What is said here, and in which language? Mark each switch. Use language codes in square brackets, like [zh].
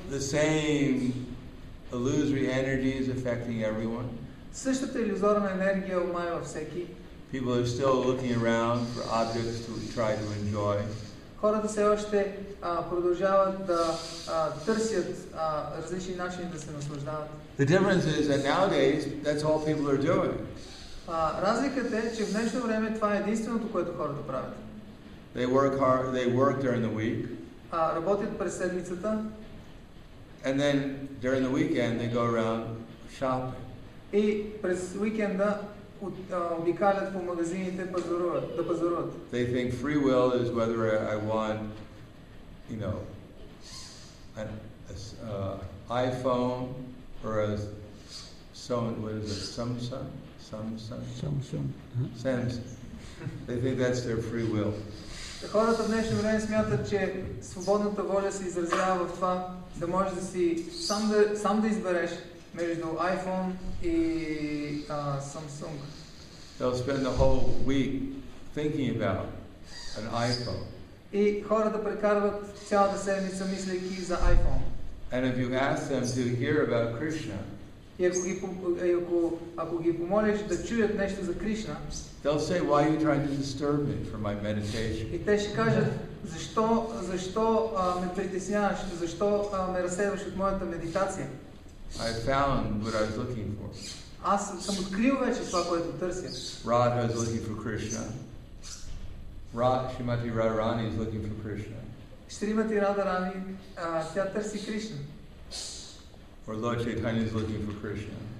[en] The same illusory energy is affecting everyone. [bg] Същата иллюзорна енергия омая във всеки. [en] People are still looking around for objects to try to enjoy. [bg] Хората все още продължават да търсят различни начини да се наслаждават. [en] The difference is that nowadays that's all people are doing. [bg] Разликата е, че в днешно време това е единственото, което хората правят. [en] They work hard, they work during the week. [bg] Работят през седмицата. [en] And then during the weekend they go around shopping. [bg] И през уикенда обикалят по магазините пазаруват. [en] They think free will is whether I want, you know, an iPhone or a Samsung. What is it? Samsung. They think that's their free will. [bg] Хората в днешно време смятат, че свободната воля се изразява в това да можеш да си сам да избереш между iPhone и Samsung. [en] They'll spend the whole week thinking about an iPhone. [bg] И хората прекарват цялата седмица мислейки за iPhone. [en] And if you ask them to hear about Krishna, [bg] и ако ги помолиш да чуят нещо за Кришна, [en] they'll say, why are you trying to disturb me for my meditation? [bg] И те ще кажат, защо ме притесняваш, защо ме разсейваш от моята медитация? [en] I found what I was looking for. [bg] Аз съм открил вече това, което търся. [en] Radha is looking for Krishna. Shrimati Radharani is looking for Krishna. [bg] Shrimati Radharani, тя търси Кришна. [en] Or Lord Chaitanya is looking for Krishna.